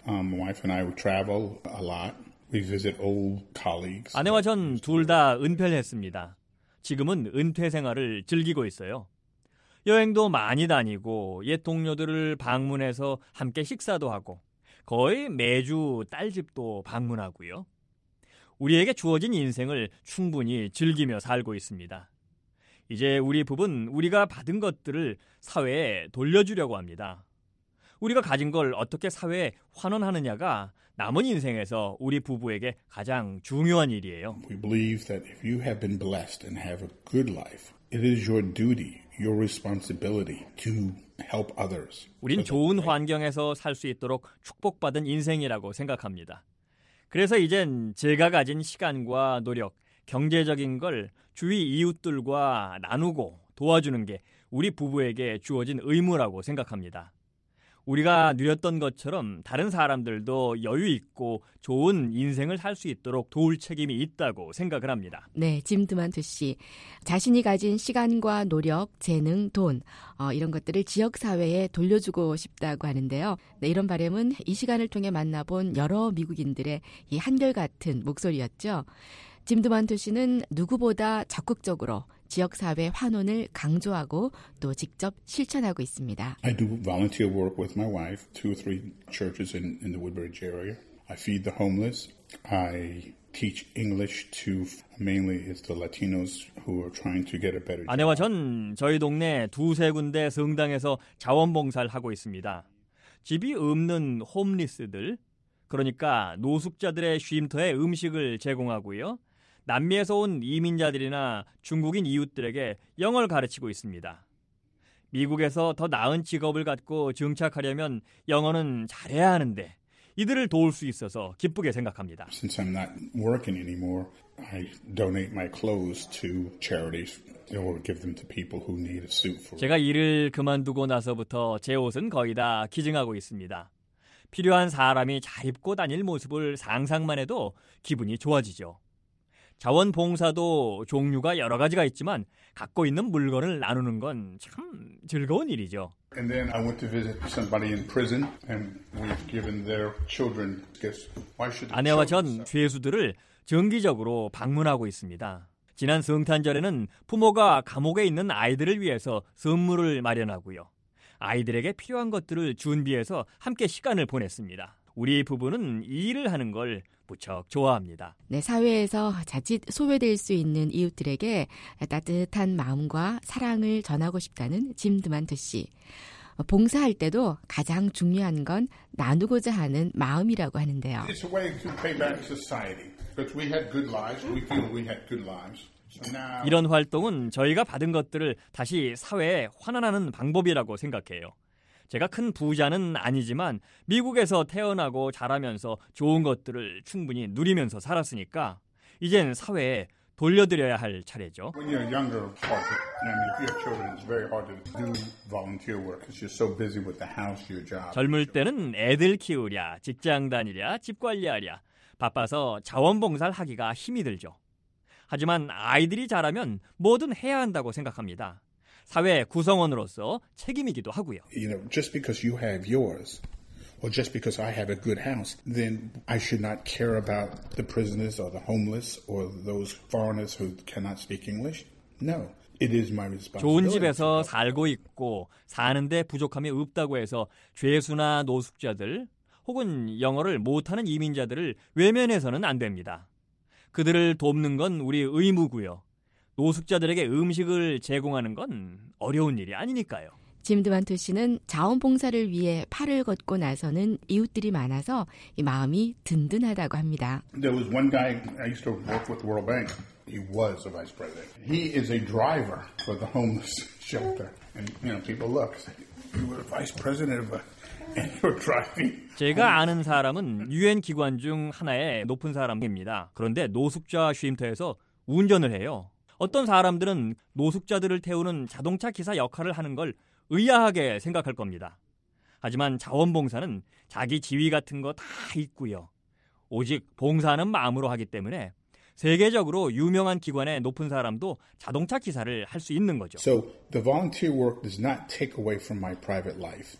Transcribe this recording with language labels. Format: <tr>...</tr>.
<en>My wife and I will travel a lot. We visit old colleagues.</en> <ko>아내와 전 둘 다 은퇴했습니다. 지금은 은퇴 생활을 즐기고 있어요. 여행도 많이 다니고 옛 동료들을 방문해서 함께 식사도 하고 거의 매주 딸 집도 방문하고요. 우리에게 주어진 인생을 충분히 즐기며 살고 있습니다. 이제 우리 부부는 우리가 받은 것들을 사회에 돌려주려고 합니다. 우리가 가진 걸 어떻게 사회에 환원하느냐가 남은 인생에서 우리 부부에게 가장 중요한 일이에요.</ko> <en>We believe that if you have been blessed and have a good life, it is your duty, your responsibility to help others.</en> <ko>우린 좋은 환경에서 살 수 있도록 축복받은 인생이라고 생각합니다. 그래서 이젠 제가 가진 시간과 노력, 경제적인 걸 주위 이웃들과 나누고 도와주는 게 우리 부부에게 주어진 의무라고 생각합니다. 우리가 누렸던 것처럼 다른 사람들도 여유 있고 좋은 인생을 살 수 있도록 도울 책임이 있다고 생각을 합니다. 네, 짐 드만투 씨. 자신이 가진 시간과 노력, 재능, 돈 이런 것들을 지역사회에 돌려주고 싶다고 하는데요. 네, 이런 바람은 이 시간을 통해 만나본 여러 미국인들의 이 한결같은 목소리였죠. 짐 드만투 씨는 누구보다 적극적으로 지역사회 환원을 강조하고 또 직접 실천하고 있습니다.</ko> <en>I do volunteer work with my wife, two or three churches in the Woodbridge area. I feed the homeless. I teach English to mainly is the Latinos who are trying to get a better job.</en> <ko>아내와 전 저희 동네 두세 군데 성당에서 자원봉사를 하고 있습니다. 집이 없는 홈리스들, 그러니까 노숙자들의 쉼터에 음식을 제공하고요. 남미에서 온 이민자들이나 중국인 이웃들에게 영어를 가르치고 있습니다. 미국에서 더 나은 직업을 갖고 정착하려면 영어는 잘해야 하는데 이들을 도울 수 있어서 기쁘게 생각합니다.</ko> <en>Since I'm not working anymore, I donate my clothes to charities or give them to people who need a suit for.</en> <ko>제가 일을 그만두고 나서부터 제 옷은 거의 다 기증하고 있습니다. 필요한 사람이 잘 입고 다닐 모습을 상상만 해도 기분이 좋아지죠. 자원봉사도 종류가 여러 가지가 있지만 갖고 있는 물건을 나누는 건 참 즐거운 일이죠.</ko> <en>And then I went to visit somebody in prison and we've given their children gifts. Why should</en> <ko>아내와 전 죄수들을 정기적으로 방문하고 있습니다. 지난 성탄절에는 부모가 감옥에 있는 아이들을 위해서 선물을 마련하고요. 아이들에게 필요한 것들을 준비해서 함께 시간을 보냈습니다. 우리 부부는 이 일을 하는 걸 무척 좋아합니다. 네, 사회에서 자칫 소외될 수 있는 이웃들에게 따뜻한 마음과 사랑을 전하고 싶다는 짐 드만트 씨. 봉사할 때도 가장 중요한 건 나누고자 하는 마음이라고 하는데요.</ko> <en>It's a way to pay back society. But we had good lives. We feel we had good lives.</en> <ko>이런 활동은 저희가 받은 것들을 다시 사회에 환원하는 방법이라고 생각해요. 제가 큰 부자는 아니지만 미국에서 태어나고 자라면서 좋은 것들을 충분히 누리면서 살았으니까 이젠 사회에 돌려드려야 할 차례죠.</ko> <en>When you're younger, if you have children, it's very hard to do volunteer work because you're so busy with the house, your job.</en> <ko>젊을 때는 애들 키우랴, 직장 다니랴, 집 관리하랴 바빠서 자원봉사를 하기가 힘이 들죠. 하지만 아이들이 자라면 뭐든 해야 한다고 생각합니다. 사회 구성원으로서 책임이기도 하고요.</ko> <en>You know, just because you have yours, or just because I have a good house, then I should not care about the prisoners or the homeless or those foreigners who cannot speak English? No. It is my responsibility.</en> <ko>좋은 집에서 살고 있고 사는데 부족함이 없다고 해서 죄수나 노숙자들 혹은 영어를 못하는 이민자들을 외면해서는 안 됩니다. 그들을 돕는 건 우리 의무고요. 노숙자들에게 음식을 제공하는 건 어려운 일이 아니니까요. 짐 드만토 씨는 자원봉사를 위해 팔을 걷고 나서는 이웃들이 많아서 이 마음이 든든하다고 합니다.</ko> <en>There was one guy I used to work with World Bank. He was a vice president. He is a driver for the homeless shelter. And you know, people look. You were a vice president of a and you're driving.</en> <ko>제가 아는 사람은 UN 기관 중 하나의 높은 사람입니다. 그런데 노숙자 쉼터에서 운전을 해요. 어떤 사람들은 노숙자들을 태우는 자동차 기사 역할을 하는 걸 의아하게 생각할 겁니다. 하지만 자원봉사는 자기 지위 같은 거 다 있고요. 오직 봉사하는 마음으로 하기 때문에 세계적으로 유명한 기관의 높은 사람도 자동차 기사를 할 수 있는 거죠.</ko> <en>So the volunteer work does not take away from my private life.</en>